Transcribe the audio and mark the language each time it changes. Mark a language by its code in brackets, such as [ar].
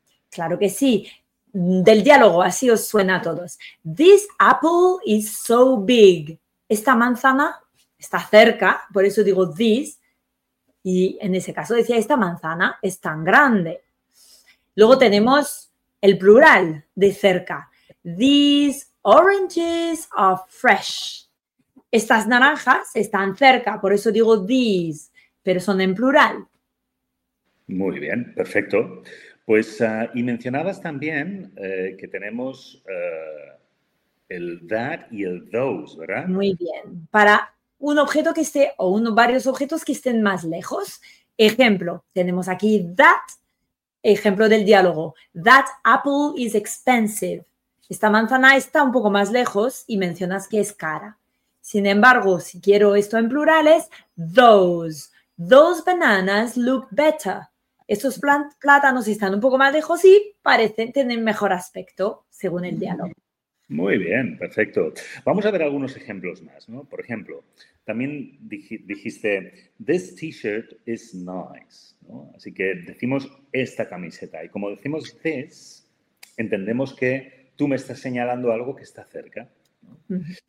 [es] Claro que sí. Del diálogo, así os suena a todos. [en] This apple is so big. [es] Esta manzana está cerca, por eso digo this. Y en ese caso decía, esta manzana es tan grande. Luego tenemos el plural de cerca. [en] These oranges are fresh. [es] Estas naranjas están cerca, por eso digo these, pero son en plural. Muy bien, perfecto. Pues, y mencionabas también que tenemos el that y el those, ¿verdad? Muy bien. Para un objeto que esté, o uno, varios objetos que estén más lejos. Ejemplo, tenemos aquí that, ejemplo del diálogo. [en] That apple is expensive. [es] Esta manzana está un poco más lejos y mencionas que es cara. Sin embargo, si quiero esto en plural es those. [en] Those bananas look better. [es] Estos plátanos están un poco más lejos y parecen tener mejor aspecto, según el diálogo. Muy bien, perfecto. Vamos a ver algunos ejemplos más, ¿no? Por ejemplo, también dijiste, [en] this t-shirt is nice, [es] ¿no? Así que decimos esta camiseta. Y como decimos this, entendemos que tú me estás señalando algo que está cerca, ¿no?